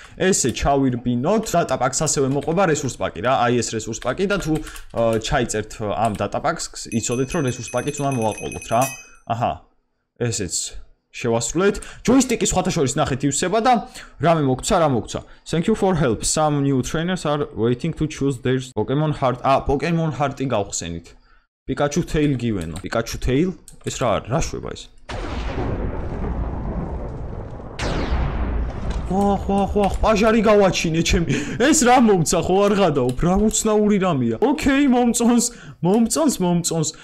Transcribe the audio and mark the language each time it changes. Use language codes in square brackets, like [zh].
[ka] ესე ჩავირბინოთ. დატა პაკს ასევე მოყვება რესურს პაკი რა, აი ეს რესურს პაკი და თუ ჩაიწერთ ამ დატა პაკს, იცოდეთ რომ რესურს პაკიც უნდა მოაყოლოთ რა. აჰა. ესეც შევასრულეთ. ჯოისტიკი სხვათაშორის ნახეთ ივსება და რამე მოგცა, რა მოგცა. [en] Thank you for help. Some new trainers are waiting to choose their Pokemon heart. [ka] ა, Pokemon heart-ი გავხსენით. [en] Pikachu tail given- [ka] ო. Pikachu tail? ეს რა არის? რა შვება ეს? ხო, პაჟარი გავაჩინე ჩემი. ეს რა მომცა, ხო არ გადაო? რა უცნაური რამეა. ოკეი, მომწონს, მომწონს, მომწონს.